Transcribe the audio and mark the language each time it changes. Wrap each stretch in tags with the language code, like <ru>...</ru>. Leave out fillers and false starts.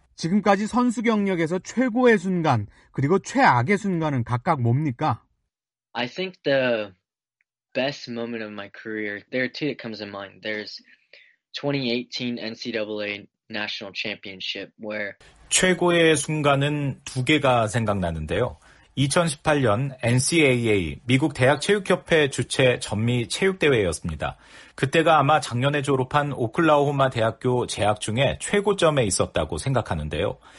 <ko>지금까지 선수 경력에서 최고의 순간 그리고 최악의 순간은 각각 뭡니까?</ko> <en>I think the best moment of my career. There are two that comes to mind. There's 2018 NCAA National Championship where</en> <ko>최고의 순간은 두 개가 생각나는데요. 2018년 NCAA, 미국 대학체육협회 주최 전미 체육대회였습니다. 그때가 아마 작년에 졸업한 오클라호마 대학교 재학 중에 최고점에 있었다고 생각하는데요.</ko>